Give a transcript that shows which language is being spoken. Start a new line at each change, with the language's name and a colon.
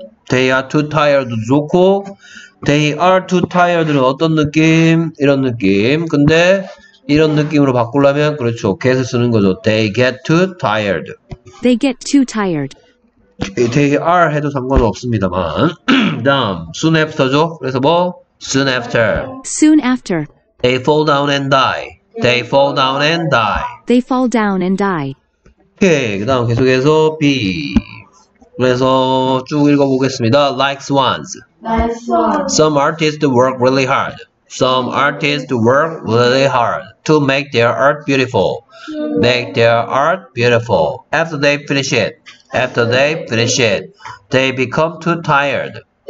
English: they are too tired
Korean: 좋고,
English: they are too tired는
Korean: 어떤 느낌? 이런 느낌. 근데 이런 느낌으로 바꾸려면 그렇죠. 계속 쓰는 거죠.
English: They get too tired. They get too tired. They are
Korean: 해도 상관없습니다만. 다음,
English: soon after죠.
Korean: 그래서 뭐?
English: Soon after. Soon after. They fall down and die. They fall down and die. They fall down and die.
Korean: 오케이, 그 다음 계속해서 B. 그래서 쭉 읽어보겠습니다.
English: Like swans. Some artists work really hard. Some artists work really hard to make their art beautiful. Make their art beautiful. After they finish it, after they finish it, they become too tired.